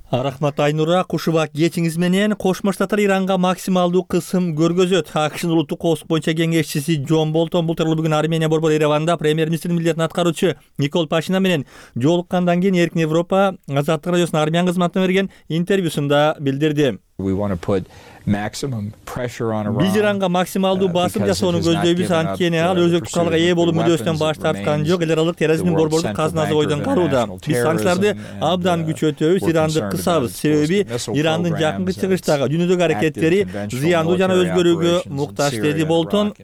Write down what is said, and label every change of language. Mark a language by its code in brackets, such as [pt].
[ky] Рахмат Айнура, кушубак кечиңиз менен. Кошмо Штаттар Иранга максималдуу кысым көргөзөт. АКШнын улуттук коопсуздук боюнча кеңешчиси Джон Болтон бул тууралуу бүгүн Армения борбору Ереванда премьер-министрдин милдетин аткаруучу Никол Пашинян менен жолуккандан кийин Эркин Европа Азаттык радиосунун армян кызматына берген интервьюсунда билдирди. [en] We want to put maximum pressure on Iran. [ky] Биз Иранга максималдуу басым жасоону көздөйбүз, анткени ал өзөктүк калга ээ болуу мүдөөсүнөн баш тарткан жок. Эл аралык терроризмдин борбордук казынасы ойдон калууда. Биз санкцияларды абдан күчөтөбүз, Иранды кысабыз. Себеби Ирандын жакынкы чыгыштагы жөнүндөгү аракеттери зыяндуу жана өзгөрүүгө муктаж, деди Болтон.